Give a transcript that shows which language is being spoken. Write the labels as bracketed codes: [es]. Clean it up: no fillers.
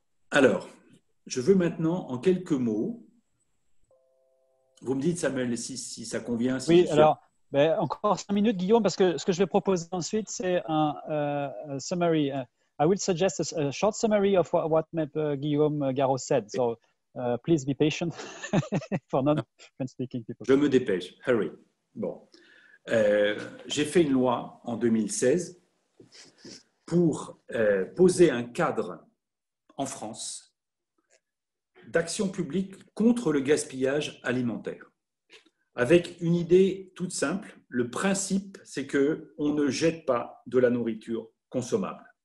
[fr] Alors, je veux maintenant, en quelques mots, vous me dites, Samuel, si ça convient. Si oui, alors, ben, encore 5 minutes, Guillaume, parce que ce que je vais proposer ensuite, c'est un summary. [en] I will suggest a short summary of what Guillaume Garot said. So, please be patient for non-French-speaking people. [fr] Je me dépêche. Hurry. Bon. J'ai fait une loi en 2016 pour poser un cadre en France d'action publique contre le gaspillage alimentaire. Avec une idée toute simple, le principe, c'est qu'on ne jette pas de la nourriture consommable.